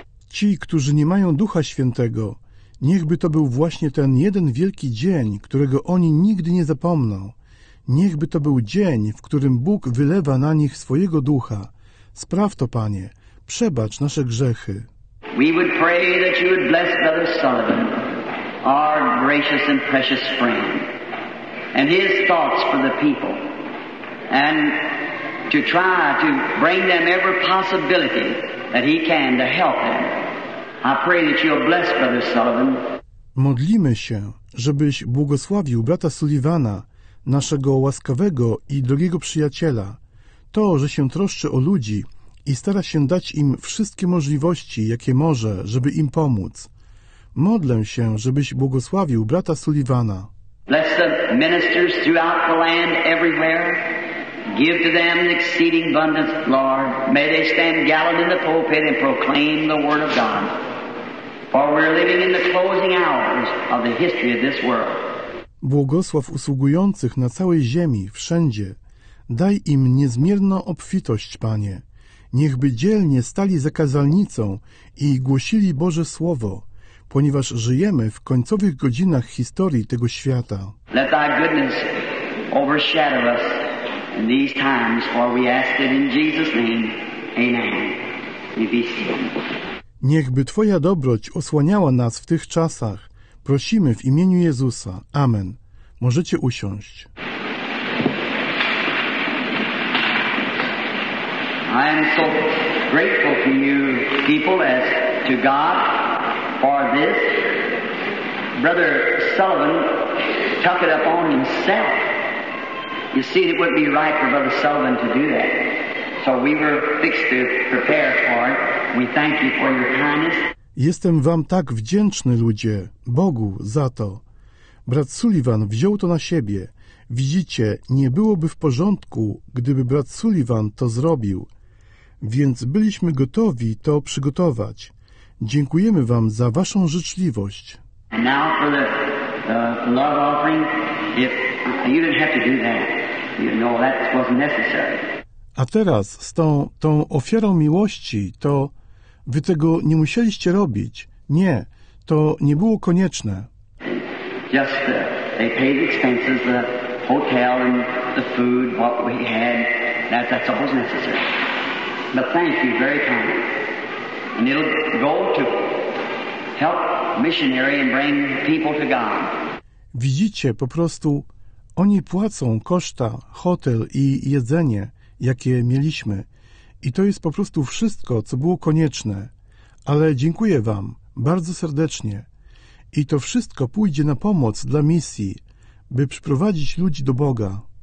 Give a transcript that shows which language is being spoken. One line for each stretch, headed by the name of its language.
Polish: Ci, którzy nie mają Ducha Świętego, niechby to był właśnie ten jeden wielki dzień, którego oni nigdy nie zapomną. Niechby to był dzień, w którym Bóg wylewa na nich swojego Ducha. Spraw to, Panie. Przebacz nasze grzechy.
English: We would pray that you would bless Brother Sullivan, our gracious and precious friend, and his thoughts for the people, and to try to bring them every possibility that he can to help them. I pray that you'll bless Brother Sullivan.
Polish: Modlimy się, żebyś błogosławił brata Sullivana, naszego łaskawego i drogiego przyjaciela. To, że się troszczy o ludzi i stara się dać im wszystkie możliwości, jakie może, żeby im pomóc. Modlę się, żebyś błogosławił brata Sullivana.
English: Bless the ministers throughout the land everywhere. Give to them an exceeding abundance, Lord. May they stand gallant in the pulpit and proclaim the word of God. For we are living in the closing hours of the history of this world.
Polish: Błogosław usługujących na całej ziemi, wszędzie. Daj im niezmierną obfitość, Panie. Niechby dzielnie stali za kazalnicą i głosili Boże Słowo, ponieważ żyjemy w końcowych godzinach historii tego świata.
English: Let thy goodness overshadow us in these times, for we ask it in Jesus' name. Amen. You be seated.
Polish: Niechby Twoja dobroć osłaniała nas w tych czasach. Prosimy w imieniu Jezusa. Amen. Możecie usiąść.
English: I am so grateful to you people as to God for this. Brother Sullivan took it upon himself. You see, it wouldn't be right for Brother Sullivan to do that. So we were fixed to prepare for it. We thank you for your kindness.
Polish: Jestem wam tak wdzięczny, ludzie, Bogu, za to. Brat Sullivan wziął to na siebie. Widzicie, nie byłoby w porządku, gdyby brat Sullivan to zrobił. Więc byliśmy gotowi to przygotować. Dziękujemy Wam za Waszą życzliwość.
English: And now for the love offering, if you didn't have to do that, you know that wasn't necessary.
Polish: A teraz z tą ofiarą miłości, to wy tego nie musieliście robić. Nie, to nie było konieczne.
English: Just they paid the expenses, the hotel and the food, what we had, that's all was necessary. But thank you, very kind. And it'll go to help missionary and bring people to God.
Polish: Widzicie, po prostu oni płacą koszta, hotel i jedzenie, jakie mieliśmy. I to jest po prostu wszystko, co było konieczne. Ale dziękuję Wam bardzo serdecznie. I to wszystko pójdzie na pomoc dla misji, by przyprowadzić ludzi do Boga.